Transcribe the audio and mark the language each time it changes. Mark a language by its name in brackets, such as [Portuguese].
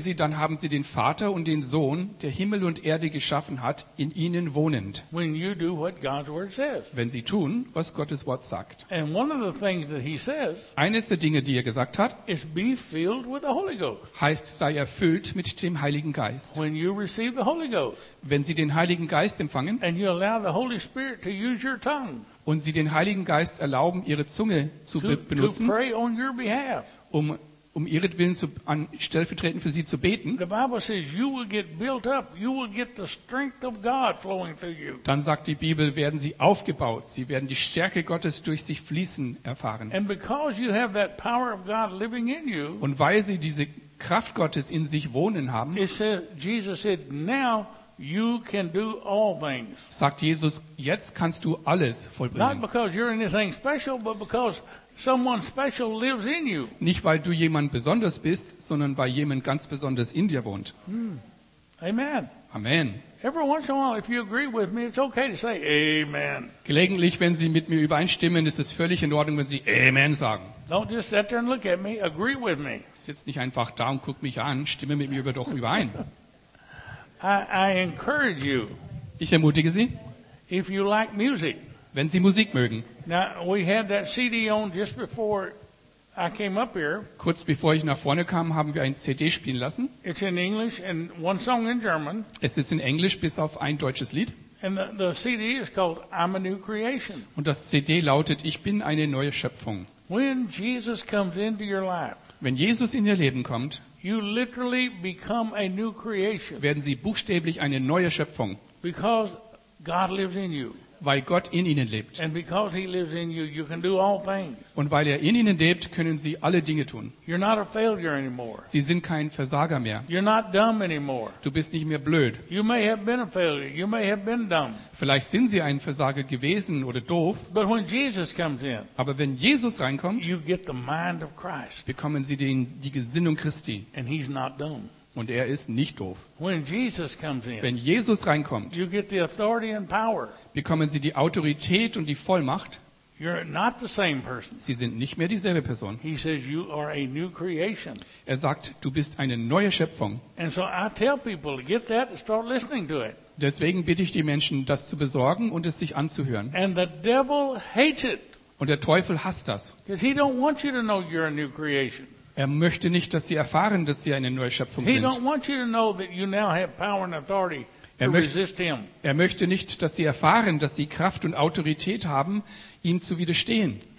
[German] Sie, dann haben Sie den Vater und den Sohn, der Himmel und Erde geschaffen hat, in Ihnen wohnend. [English] When you do what God's word says. [German] Wenn Sie tun, was Gottes Wort sagt. [English] And one of the things that he says, [German] eines der Dinge, die er gesagt hat, [English] is be filled with the Holy Ghost. [German] Heißt, sei erfüllt mit dem Heiligen Geist. [English] When you receive the Holy Ghost, [German] wenn Sie den Heiligen Geist empfangen, [English] and you allow the Holy Spirit to use your tongue, [German] und sie den Heiligen Geist erlauben, ihre Zunge zu benutzen, um ihretwillen stellvertretend für sie zu beten, dann sagt die Bibel, werden sie aufgebaut, sie werden die Stärke Gottes durch sich fließen erfahren. Und weil sie diese Kraft Gottes in sich wohnen haben, Jesus sagt, [English] now, you can do all things. [German] Sagt Jesus, jetzt kannst du alles vollbringen. [English] Not because you're anything special, but because someone special lives in you. [German] Nicht weil du jemand besonders bist, sondern weil jemand ganz besonders in dir wohnt. [English] Amen. [German] Amen. [English] Every once in a while, if you agree with me, it's okay to say amen. [German] Gelegentlich, wenn Sie mit mir übereinstimmen, ist es völlig in Ordnung, wenn Sie amen sagen. [English] Don't just sit there and look at me. Agree with me. [German] Sitz nicht einfach da und guck mich an. Stimme mit mir doch überein. [English] I encourage you. [German] Ich ermutige Sie. [English] If you like music. [German] Wenn Sie Musik mögen. [English] Now we had that CD on just before I came up here. [German] Kurz bevor ich nach vorne kam, haben wir ein CD spielen lassen. [English] It's in English and one song in German. [German] Es ist in Englisch bis auf ein deutsches Lied. [English] And the CD is called I'm a New Creation. [German] Und das CD lautet Ich bin eine neue Schöpfung. [English] When Jesus comes into your life. [German] Wenn Jesus in Ihr Leben kommt, [English] you literally become a new creation. [German] Werden Sie buchstäblich eine neue Schöpfung. [English] Because God lives in you. [German] Weil Gott in Ihnen lebt. [English] And because he lives in you, you can do all things. [German] Und weil er in Ihnen lebt, können Sie alle Dinge tun. [English] You're not a failure anymore. [German] Sie sind kein Versager mehr. [English] You're not dumb anymore. [German] Du bist nicht mehr blöd. [English] You may have been a failure. You may have been dumb. [German] Vielleicht sind Sie ein Versager gewesen oder doof. [English] But when Jesus comes in, [German] aber wenn Jesus reinkommt, [English] you get the mind of Christ. [German] Bekommen Sie die Gesinnung Christi. [English] And he's not dumb. [German] Und er ist nicht doof. [English] When Jesus comes in, [German] wenn Jesus reinkommt, [English] you get the authority and power. [German] Bekommen Sie die Autorität und die Vollmacht. [English] You're not the same person. [German] Sie sind nicht mehr dieselbe Person. [English] He says you are a new creation. [German] Er sagt, du bist eine neue Schöpfung. [English] And so I tell people to get that and start listening to it. [German] Deswegen bitte ich die Menschen, das zu besorgen und es sich anzuhören. [English] And the devil hates it. [German] Und der Teufel hasst das. [English] Because he don't want you to know you're a new creation. [German] Er möchte nicht, dass sie erfahren, dass sie eine neue Schöpfung sind. [English] He don't want you to know that you now have power and authority. [German] Er möchte nicht, dass sie erfahren, dass sie Kraft und Autorität haben, ihm zu widerstehen.